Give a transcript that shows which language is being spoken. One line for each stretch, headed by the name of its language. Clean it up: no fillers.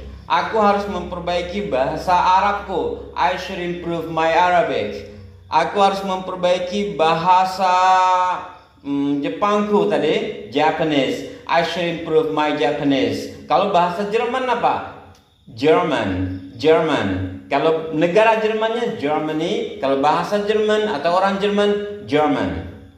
Indonesian: Aku harus memperbaiki bahasa Arabku.
English: I should improve my Arabic.
Indonesian: Aku harus memperbaiki bahasa Jepangku tadi, Japanese.
English: I should improve my Japanese.
Indonesian: Kalau bahasa Jerman apa? German. Kalau negara Jermannya Germany, kalau bahasa Jerman atau orang Jerman German.